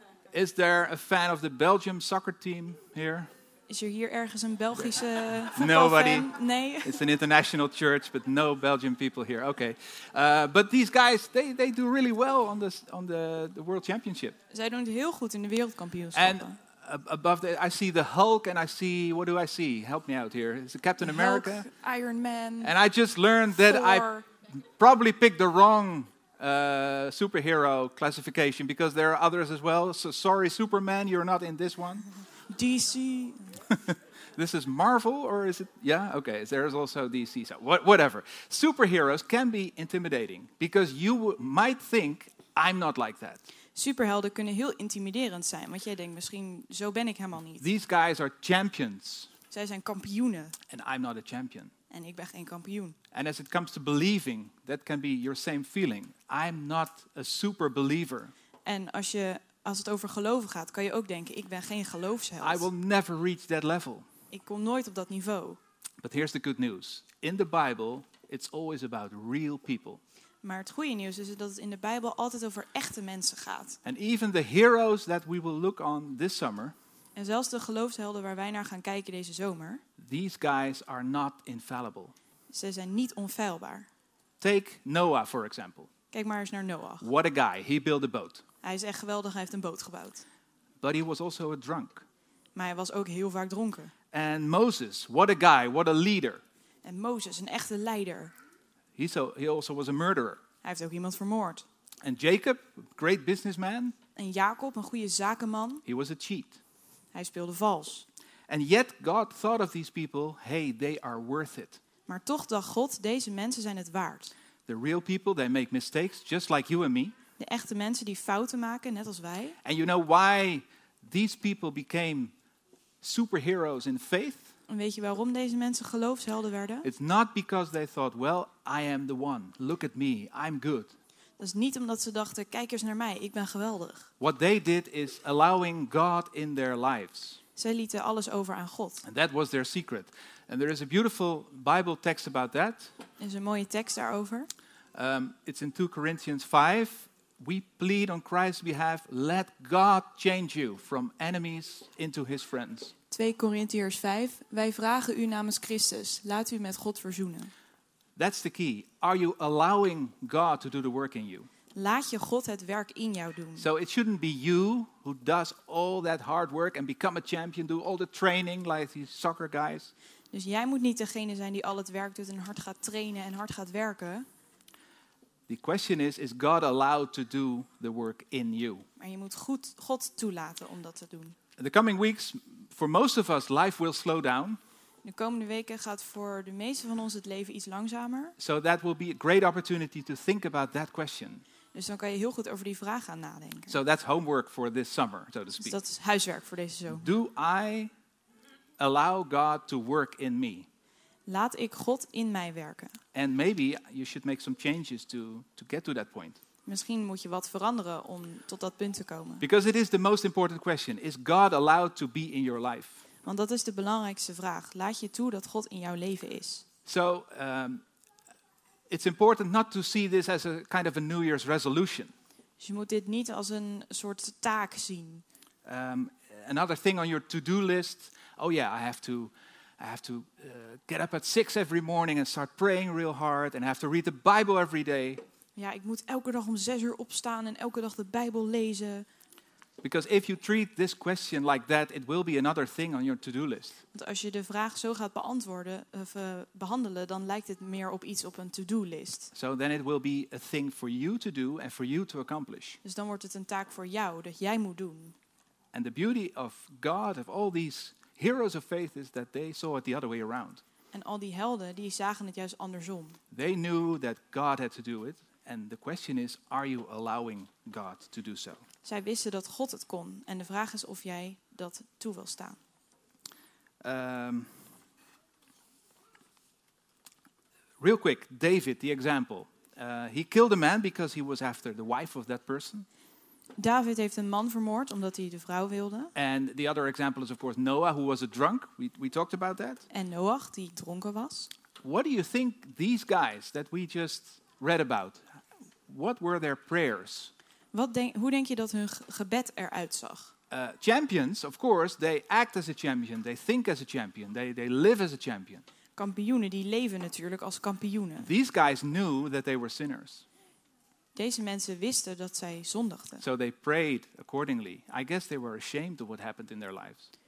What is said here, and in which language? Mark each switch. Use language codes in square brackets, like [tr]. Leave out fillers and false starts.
[en] Is there a fan of the Belgium soccer team here? [nl] Is er hier ergens een Belgische voetbalfan? [en] Nobody. [nl] Nee. [en] It's an international church, but no Belgian people here. Okay. But these guys, they do really well on the World Championship. [nl] Zij doen het heel goed in de wereldkampioenschap. [en] And above that, I see the Hulk, and I see, what do I see? Help me out here. Is it Captain America? Hulk, Iron Man. And I just learned that Thor. I probably picked the wrong superhero classification, because there are others as well. So sorry, Superman, you're not in this one. DC. This is Marvel, or is it? Yeah, okay. There is also DC. So whatever. Superheroes can be intimidating, because you might think, I'm not like that. [nl] Superhelden kunnen heel intimiderend zijn, want jij denkt misschien zo ben ik helemaal niet. [en] These guys are champions. [nl] Zij zijn kampioenen. [en] And I'm not a champion. [nl] En ik ben geen kampioen. [en] And as it comes to believing, that can be your same feeling. I'm not a super believer. [nl] En als het over geloven gaat, kan je ook denken ik ben geen geloofsheld. [en] I will never reach that level. [nl] Ik kom nooit op dat niveau. [en] But here's the good news. In the Bible, it's always about real people. [nl] Maar het goede nieuws is dat het in de Bijbel altijd over echte mensen gaat. [en] And even the heroes that we will look on this summer. [nl] En zelfs de geloofshelden waar wij naar gaan kijken deze zomer. [en] These guys are not infallible. [nl] Ze zijn niet onfeilbaar. [en] Take Noah for example. [nl] Kijk maar eens naar Noah. [en] What a guy. He built a boat. [nl] Hij is echt geweldig. Hij heeft een boot gebouwd. [en] But he was also a drunk. [nl] Maar hij was ook heel vaak dronken. [en] And Moses, what a guy, what a leader. [nl] En Mozes, een echte leider. [en] He also was a murderer. [nl] Hij heeft ook iemand vermoord. [en] And Jacob, great businessman. [nl] En Jacob, een goede zakenman. [en] He was a cheat. [nl] Hij speelde vals. [en] And yet God thought of these people, hey, they are worth it. [nl] Maar toch dacht God, deze mensen zijn het waard. [en] The real people, they make mistakes, just like you and me. [nl] De echte mensen die fouten maken, net als wij. [en] And you know why these people became superheroes in faith? [nl] En weet je waarom deze mensen geloofshelden werden? [en] It's not because they thought, well, I am the one. Look at me, I'm good. [nl] Dat is niet omdat ze dachten, kijk eens naar mij, ik ben geweldig. [en] What they did is allowing God in their lives. [nl] Zij lieten alles over aan God. [en] And that was their secret. And there is a beautiful Bible text about that. [nl] Er is een mooie tekst daarover. [en] It's in 2 Corinthians 5. We plead on Christ's behalf, let God change you from enemies into his friends. [nl] 2 Corinthiërs 5. Wij vragen u namens Christus, laat u met God verzoenen. [en] That's the key. Are you allowing God to do the work in you? [nl] Laat je God het werk in jou doen. [en] So it shouldn't be you who does all that hard work and become a champion, do all the training like these soccer guys. [nl] Dus jij moet niet degene zijn die al het werk doet en hard gaat trainen en hard gaat werken. [en] The question is God allowed to do the work in you? [nl] Maar je moet goed God toelaten om dat te doen. [en] In the coming weeks, for most of us, life will slow down. [nl] De komende weken gaat voor de meeste van ons het leven iets langzamer. [en] So that will be a great opportunity to think about that question. [nl] Dus dan kan je heel goed over die vraag gaan nadenken. [en] So that's homework for this summer, so to speak. [nl] Dus dat is huiswerk voor deze zomer. [en] Do I allow God to work in me? [nl] Laat ik God in mij werken. [en] And maybe you should make some changes to get to that point. [nl] Misschien moet je wat veranderen om tot dat punt te komen. [en] Because it is the most important question. Is God allowed to be in your life? [nl] Want dat is de belangrijkste vraag. Laat je toe dat God in jouw leven is. [en] So, it's important not to see this as a kind of a New Year's resolution. [nl] Dus je moet dit niet als een soort taak zien. [en] Another thing on your to-do list. Oh yeah, I have to I have to get up at 6 every morning and start praying real hard and I have to read the Bible every day. [nl] Ja, ik moet elke dag om 6 uur opstaan en elke dag de Bijbel lezen. [en] Because if you treat this question like that, it will be another thing on your to-do list. [nl] Want als je de vraag zo gaat beantwoorden of behandelen, dan lijkt het meer op iets op een to-do list. [en] So then it will be a thing for you to do and for you to accomplish. [nl] Dus dan wordt het een taak voor jou dat jij moet doen. [en] And the beauty of God, of all these heroes of faith, is that they saw it the other way around. [nl] En al die helden, die zagen het juist andersom. [en] They knew that God had to do it. And the question is, are you allowing God to do so? [nl] Zij wisten dat God het kon. En de vraag is of jij dat toe wil staan. [en] Real quick, David, the example. He killed a man because he was after the wife of that person. [nl] David heeft een man vermoord omdat hij de vrouw wilde. [en] And the other example is of course Noah, who was a drunk. We talked about that. [nl] En Noach, die dronken was. [en] What do you think these guys that we just read about, what were their prayers? [nl] Hoe denk je dat hun gebed eruit zag? [en] Champions, of course, they act as a champion. They think as a champion. They live as a champion. [nl] Kampioenen, die leven natuurlijk als kampioenen. [en] These guys knew that they were sinners. [nl] Deze mensen wisten dat zij zondigden. [en] So they prayed accordingly. I guess they were ashamed of what happened in their lives.